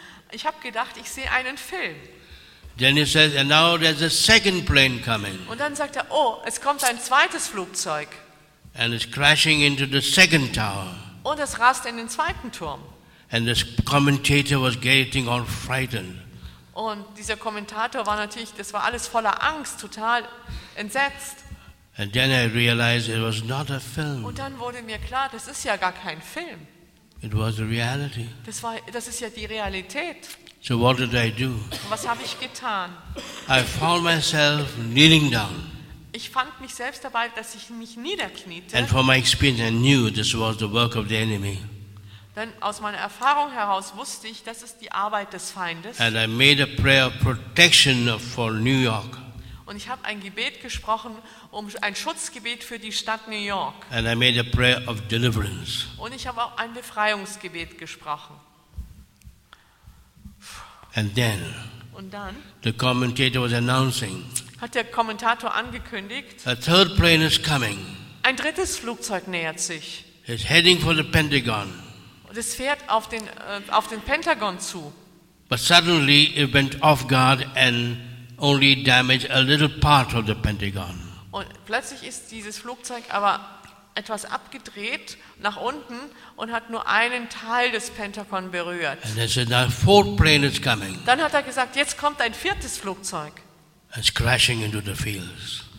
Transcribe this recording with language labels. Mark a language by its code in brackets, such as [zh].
[de] Ich habe gedacht, ich sehe einen Film. [en] Then he says, and now there's a second plane coming. [de] Und dann sagt er, oh, es kommt ein zweites Flugzeug. [en] And it's crashing into the second tower. [de] Und es rast in den zweiten Turm. [en] And this commentator was getting all frightened. [de] Und dieser Kommentator war natürlich, das war alles voller Angst, total entsetzt. [en] And then I realized it was not a film. [de] Und dann wurde mir klar, das ist ja gar kein Film. [en] It was a reality. [de] Das ist ja die Realität. [en] So what did I do? [de] Was habe ich getan? [en] I found myself kneeling down. [de] Ich fand mich selbst dabei, dass ich mich niederkniete. [en] And from my experience, I knew this was the work of the enemy. [de] Denn aus meiner Erfahrung heraus wusste ich, das ist die Arbeit des Feindes. [en] And I made a prayer of protection for New York. [de] Und ich habe ein Gebet gesprochen, ein Schutzgebet für die Stadt New York. [en] And I made a prayer of deliverance. [de] Und ich habe auch ein Befreiungsgebet gesprochen. [en] And then, [de] und dann [en] the commentator was announcing, [de] hat der Kommentator angekündigt, [en] a third plane is coming. [de] Ein drittes Flugzeug nähert sich. [en] It's heading for the Pentagon. [de] Und es fährt auf den Pentagon zu. [en] But suddenly it went off guard and only damaged a little part of the Pentagon. [de] Und plötzlich ist dieses Flugzeug aber etwas abgedreht nach unten und hat nur einen Teil des Pentagon berührt. [en] And they said, now fourth plane is coming. [de] Dann hat er gesagt, jetzt kommt ein viertes Flugzeug. [en] It's crashing into the fields.